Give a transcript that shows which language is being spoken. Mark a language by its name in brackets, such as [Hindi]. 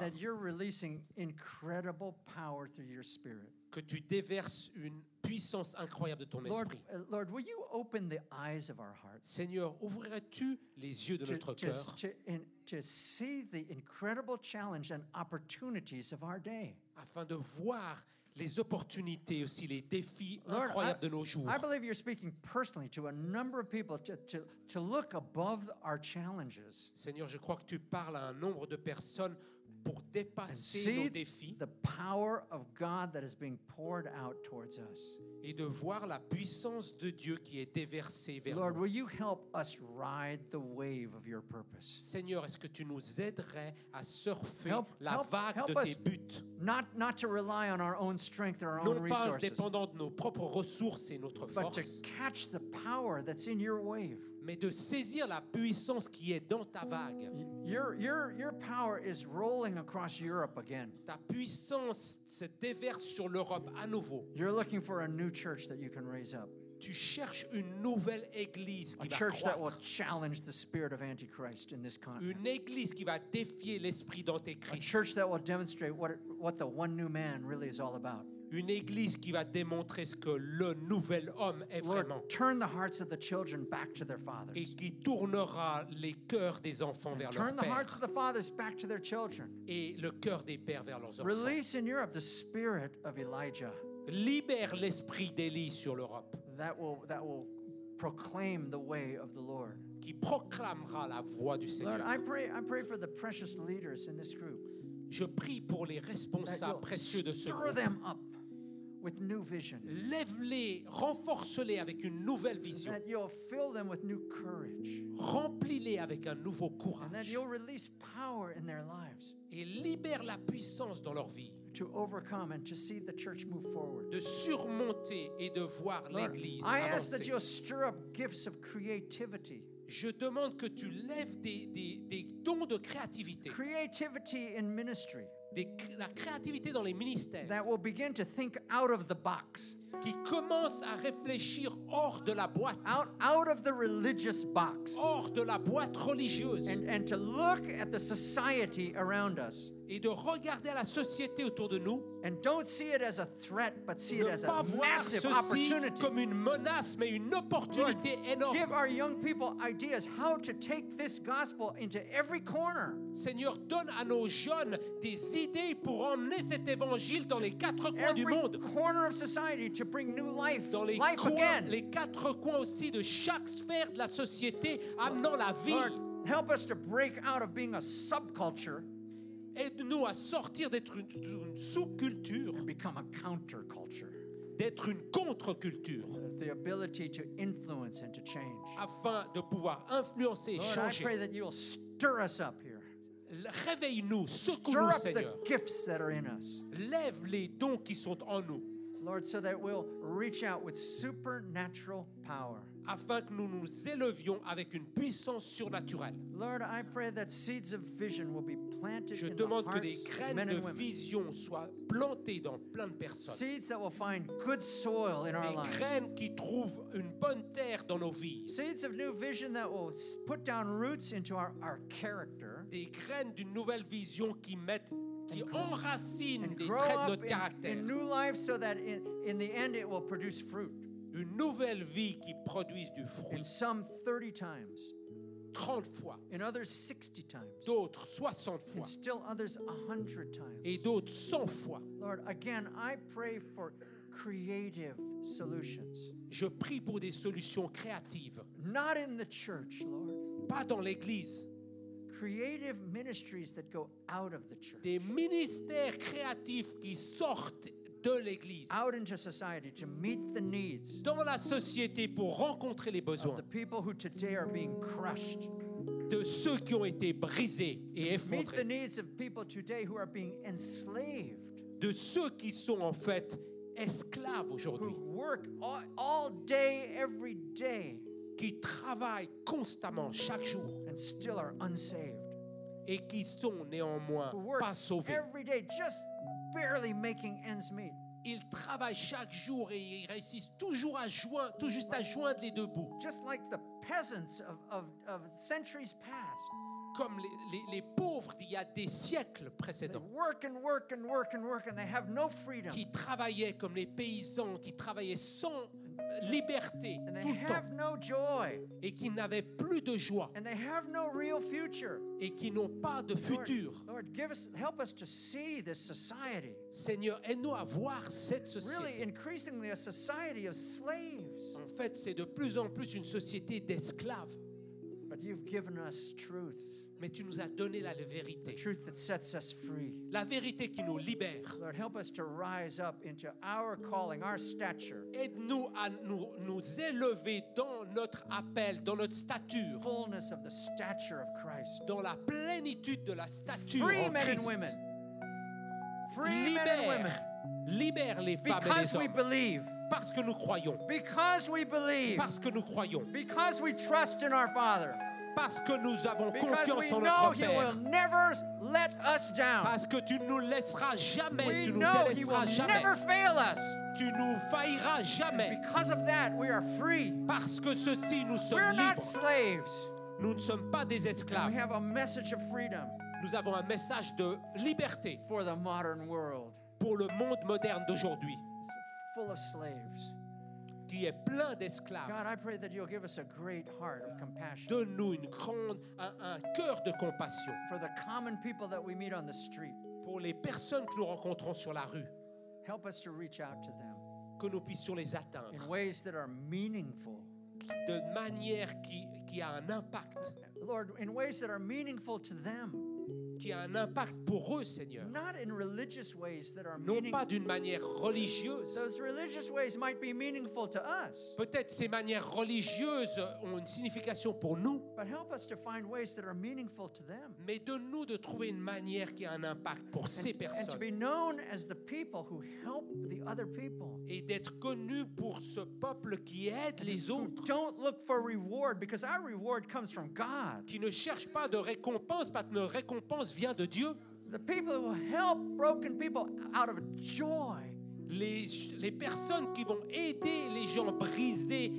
[English] That you're releasing incredible power through your Spirit. [French] Que tu déverses une puissance incroyable de ton esprit. [English] Lord, will you open the eyes of our hearts? [French] Seigneur, ouvrirais-tu les yeux de notre cœur? [English] To see the incredible challenge and opportunities of our day. [French] Afin de voir les opportunités aussi les défis incroyables de nos jours. [English] I believe you're speaking personally to a number of people to look above our challenges. [French] Seigneur, je crois que tu parles à un nombre de personnes pour dépasser nos défis. [English] The power of God that is being poured out towards us. [French] Et de voir la puissance de Dieu qui est déversée vers [English] Lord, [French] nous. [English] Will you help us ride the wave of your purpose? [French] Seigneur, est-ce que tu nous aiderais à surfer la vague de tes buts? [English] Not to rely on our own strength or our [French] non [English] own resources. [French] Non pas dépendant de nos propres ressources et notre [English] but [French] force. [English] But to catch the power that's in your wave. [French] Mais de saisir la puissance qui est dans ta vague. [English] Your power is rolling across Europe again. [French] Ta puissance se déverse sur l'Europe à nouveau. [English] You're looking for a new church that you can raise up. [French] tu cherches une nouvelle église qui a va [English] church [French] croître. [English] That will challenge the spirit of Antichrist in this continent. [French] Une église qui va défier l'esprit d'Antéchrist. [English] A church that will demonstrate what the one new man really is all about. [French] Une église qui va démontrer ce que le nouvel homme est vraiment. [English] Lord, turn the hearts of the children back to their fathers. [French] Et qui tournera les cœurs des enfants vers leurs pères. [English] Turn the hearts of the fathers back to their children. [French] Et le cœur des pères vers leurs enfants. [English] Release in Europe the spirit of Elijah. [French] Libère l'esprit d'Élie sur l'Europe. [English] That will proclaim the way of the Lord. [French] Qui proclamera la voie du Seigneur. [English] Lord, I pray for the precious leaders in this group. [French] Je prie pour les responsables précieux de ce groupe. [English] Stir them up with new vision. [French] Lève-les, renforce-les avec une nouvelle vision. [English] That you'll fill them with new courage. [French] Remplis-les avec un nouveau courage. [English] And that you'll release power in their lives. [French] Et libère la puissance dans leur vie. [English] To overcome and to see the church move forward. [French] De surmonter et de voir l'église avancer. [English] I ask that you'll stir up gifts of creativity. [French] Je demande que tu lèves des dons de créativité. [English] Creativity in ministry. [French] La créativité dans les ministères. [English] That will begin to think out of the box. [French] Qui commence à réfléchir hors de la boîte. [English] Out of the religious box. [French] Hors de la boîte religieuse. [English] And to look at the society around us. [French] Et de regarder la société autour de nous. [English] And don't see it as a threat, but see it as a massive opportunity. [French] Comme une menace, mais une opportunité énorme. [English] Give our young people ideas how to take this gospel into every corner. [French] Seigneur, donne à nos jeunes des idées pour emmener cet évangile dans les quatre coins du monde. [English] Every corner of society to bring new life. [French] Dans les [English] life [French] coins, [English] again. [French] Les quatre coins aussi de chaque sphère de la société, amenant la vie. [English] Lord, help us to break out of being a subculture. [French] Aide-nous à sortir d'être une sous-culture, [English] become a counter-culture, [French] d'être une contre-culture, [English] the ability to influence and to change, [French] afin de pouvoir influencer et changer. [English] I pray that you'll stir us up here. [French] Réveille-nous, secoue-nous, Seigneur. [English] Stir up the gifts that are in us. [French] Lève les dons qui sont en nous. [English] Lord, so that we'll reach out with supernatural power. [French] Afin que nous nous élevions avec une puissance surnaturelle. [English] Lord, I pray that seeds of vision will be planted. [French] Je demande que des graines de vision soient plantées dans plein de personnes. [English] Seeds that will find good soil in our lives. [French] Des graines qui trouvent une bonne terre dans nos vies. [English] Seeds of new vision that will put down roots into our character. [French] Des graines d'une nouvelle vision qui mettent qui enracine des traits de notre caractère. [English] In new life so that in the end it will produce fruit. [French] Une nouvelle vie qui produise du fruit. [English] In some 30 times. [French] 30 fois. [English] In others 60 times. [French] D'autres 60 fois. [English] And still others 100 times. [French] Et d'autres 100 fois. [English] Lord, again, I pray for creative solutions. [French] Je prie pour des solutions créatives. [English] Not in the church, Lord. [French] Pas dans l'église. [English] Creative ministries that go out of the church. [French] Des ministères créatifs qui sortent de l'église. [English] Out into society to meet the needs. [French] Dans la société pour rencontrer les besoins. [English] Of the people who today are being crushed. [French] De ceux qui ont été brisés et effondrés. [English] To meet the needs of people today who are being enslaved. [French] De ceux qui sont en fait esclaves aujourd'hui. [English] Who work all day, every day. [French] Qui travaillent constamment chaque jour. [English] And still are unsaved. [French] Et qui sont néanmoins pas sauvés. [English] Every day just barely making ends meet. [French] Ils travaillent chaque jour et ils réussissent toujours à joindre, tout juste à joindre les deux bouts. [English] Just like the peasants of centuries past. [French] Comme les pauvres d'il y a des siècles précédents. [English] They work and work and work and work and they have no freedom. [French] Qui travaillaient comme les paysans, qui travaillaient sans liberté [English] and they [French] tout le [English] have [French] temps. [English] No joy. [French] Et qui n'avaient plus de joie. [English] And they have no real future. [French] Et qui n'ont pas de futur. [English] Lord, help us to see this society. [French] Seigneur, aide-nous à voir cette société. [English] Really, increasingly a society of slaves. [French] En fait, c'est de plus en plus une société d'esclaves. [English] But you've given us truth. [French] Mais tu nous as donné la vérité. [English] The truth that sets us free. [French] La vérité qui nous libère. [English] Lord, help us to rise up into our calling, our stature. [French] Aide-nous à nous élever dans notre appel, dans notre stature. [English] Fullness of the stature of Christ. [French] Dans la plénitude de la stature en Christ. [English] Free men and women. Free [French] libère, [English] men and women. [French] Libère les femmes [English] because [French] et les hommes. [English] We believe. [French] Parce que nous croyons. [English] Because we believe. [French] Parce que nous croyons. [English] Because we trust in our Father. [French] parce que nous avons confiance en notre Père. [English] Will never let us down. [French] Parce que tu ne nous laisseras jamais. [English] We [French] tu [English] know [French] nous délaisseras [English] he will [French] jamais. [English] Never fail us. [French] Tu ne nous failliras jamais. [English] And because of that, we are free. [French] Parce que ceci, nous sommes [English] we're [French] libres. [English] Not slaves. [French] Nous ne sommes pas des esclaves. [English] And we have a message of freedom. [French] Nous avons un message de liberté [English] for the modern world. [French] Pour le monde moderne d'aujourd'hui. [English] It's full of slaves. [French] Qui est plein d'esclaves. [English] God, I pray that you'll give us a great heart of compassion. [French] Donne-nous une grande un cœur de compassion. [English] For the common people that we meet on the street. [French] Pour les personnes que nous rencontrons sur la rue. [English] Help us to reach out to them. [French] Que nous puissions les atteindre. [English] In ways that are meaningful. [French] De manière qui a un impact. [English] Lord, in ways that are meaningful to them. [French] Qui a un impact pour eux, Seigneur. [English] Not in religious ways that are [French] non pas d'une manière religieuse. [English] Those religious ways might be meaningful to us. [French] Peut-être ces manières religieuses ont une signification pour nous. [English] But help us to find ways that are meaningful to them. [French] Mais donne-nous de trouver une manière qui a un impact pour ces personnes. [English] And to be known as the people who help the other people. [French] Et d'être connu pour ce peuple qui aide les autres. [English] Don't look for reward because our reward comes from God. [French] Qui ne cherche pas de récompense parce que notre récompense vient de Dieu. [English] The people who help broken people out of joy. [French] Les personnes qui vont aider les gens brisés.